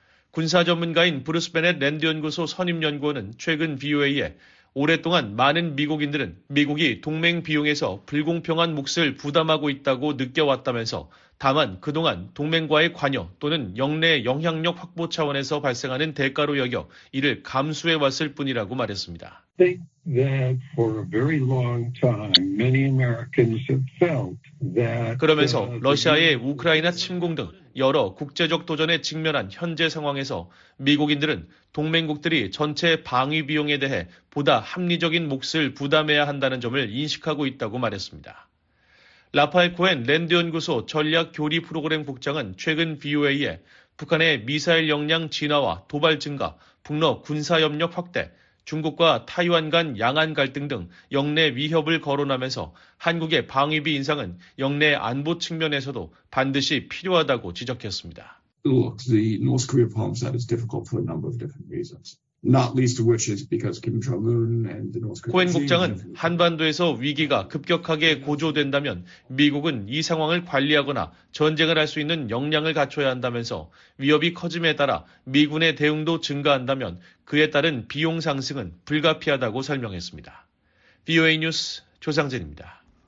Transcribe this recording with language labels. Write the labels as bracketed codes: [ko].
[ko] 군사 전문가인 브루스 베넷 랜드 연구소 선임 연구원은 최근 VOA에 오랫동안 많은 미국인들은 미국이 동맹 비용에서 불공평한 몫을 부담하고 있다고 느껴왔다면서 다만 그동안 동맹과의 관여 또는 영내 영향력 확보 차원에서 발생하는 대가로 여겨 이를 감수해 왔을 뿐이라고 말했습니다. [en] Think that for a very long time, many Americans have felt that. [ko] 그러면서 러시아의 우크라이나 침공 등 여러 국제적 도전에 직면한 현재 상황에서 미국인들은 동맹국들이 전체 방위 비용에 대해 보다 합리적인 몫을 부담해야 한다는 점을 인식하고 있다고 말했습니다. 라파엘 코엔 랜드 연구소 전략 교리 프로그램 국장은 최근 VOA에 북한의 미사일 역량 진화와 도발 증가, 북러 군사 협력 확대, 중국과 타이완 간 양안 갈등 등 영내 위협을 거론하면서 한국의 방위비 인상은 영내 안보 측면에서도 반드시 필요하다고 지적했습니다. [en] Look, the North Korea problem set is difficult for a number of different reasons. Not least of which is because Kim Jong-un and the North Korean. [ko] 코엔 국장은 한반도에서 위기가 급격하게 고조된다면 미국은 이 상황을 관리하거나 전쟁을 할 수 있는 역량을 갖춰야 한다면서 위협이 커짐에 따라 미군의 대응도 증가한다면 그에 따른 비용 상승은 불가피하다고 설명했습니다. VOA 뉴스 조상진입니다.